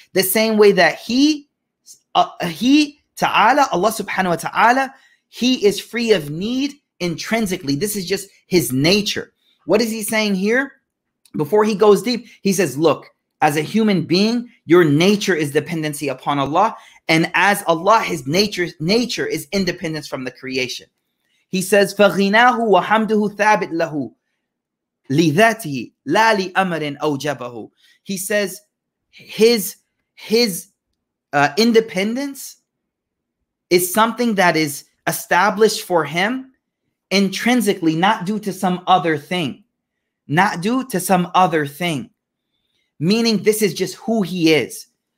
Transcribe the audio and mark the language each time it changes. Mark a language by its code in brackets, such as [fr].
[en] The same way that he ta'ala, Allah subhanahu wa ta'ala, He is free of need intrinsically. This is just His nature. What is He saying here? Before He goes deep, He says, look, as a human being, your nature is dependency upon Allah. And as Allah, His nature is independence from the creation. He says, [ar] فَغِنَاهُ وَحَمْدُهُ ثَابِتْ لَهُ لِذَاتِهِ لَا لِأَمَرٍ أَوْجَبَهُ. [en] He says his independence is something that is established for him intrinsically, not due to some other thing. Not due to some other thing. Meaning this is just who he is.